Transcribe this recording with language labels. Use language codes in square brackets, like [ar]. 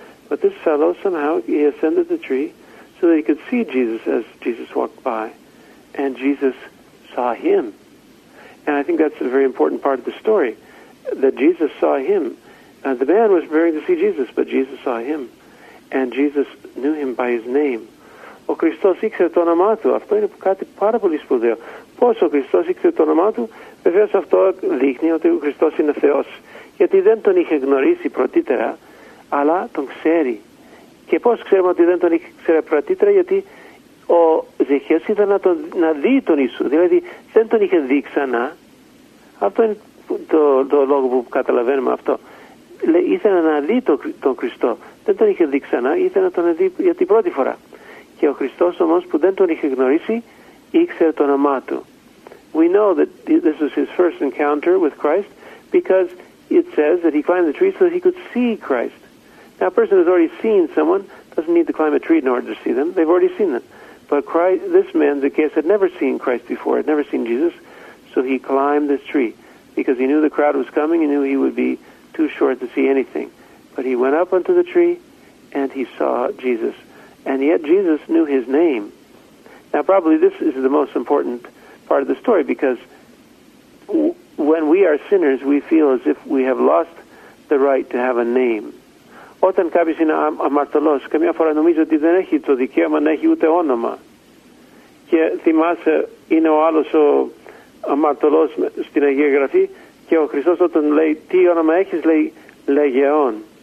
[en] But this fellow, somehow, he ascended the tree so that he could see Jesus as Jesus walked by, and Jesus saw him. And I think that's a very important part of the story, that Jesus saw him. The man was preparing to see Jesus, but Jesus saw him, and Jesus knew him by his name. [el] Ο Χριστός ήξερε το όνομά του. Αυτό είναι κάτι πάρα πολύ σπουδαίο. Πώς ο Χριστός ήξερε το όνομά του? Βεβαίως αυτό δείχνει ότι ο Χριστός είναι Θεός, γιατί δεν τον είχε γνωρίσει πρωτήτερα, αλλά τον ξέρει. Και πώς ξέρουμε ότι δεν τον ήξερε πρωτήτρα, γιατί ο Ζεχαίος ήθελε να δει τον Ιησού. Δηλαδή δεν τον είχε δει ξανά. Αυτό είναι το λόγο που καταλαβαίνουμε αυτό. Ήθελε να δει τον Χριστό. Δεν τον είχε δει ξανά, ήθελε να τον δει για την πρώτη φορά. Και ο Χριστός όμως που δεν τον είχε γνωρίσει, ήξερε το όνομά του. [en] We know that this was his first encounter with Christ because it says that he climbed the tree so that he could see Christ. Now a person who's already seen someone doesn't need to climb a tree in order to see them. They've already seen them. But Christ, this man, Zacchaeus, had never seen Christ before, had never seen Jesus, so he climbed this tree because he knew the crowd was coming, he knew he would be too short to see anything. But he went up onto the tree and he saw Jesus. And yet Jesus knew his name. Now probably this is the most important part of the story because when we are sinners, we feel as if we have lost the right to have a name. [el] Όταν κάποιος είναι αμαρτωλός, καμιά φορά νομίζω ότι δεν έχει το δικαίωμα να έχει ούτε όνομα. Και θυμάσαι, είναι ο άλλος ο αμαρτωλός στην Αγία Γραφή και ο Χριστός όταν λέει τι όνομα έχεις, λέει λεγεών.